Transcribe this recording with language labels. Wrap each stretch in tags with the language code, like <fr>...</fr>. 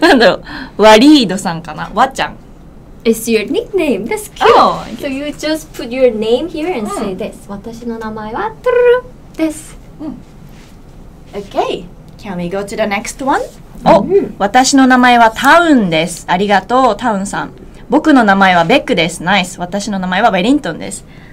<ja>なんだろう、ワリードさんかな、わちゃん。</ja> <en>It's your nickname. That's cute. So you just put your name here and say this.</en> <ja>私の名前はトゥルルです。</ja> <en>Okay. Can we go to the next one?</en> <ja>Oh, 私の名前はタウンです。ありがとう、タウンさん。僕の名前はベックです。</ja> <en>Nice.</en> <ja>私の名前はウェリントンです。</ja>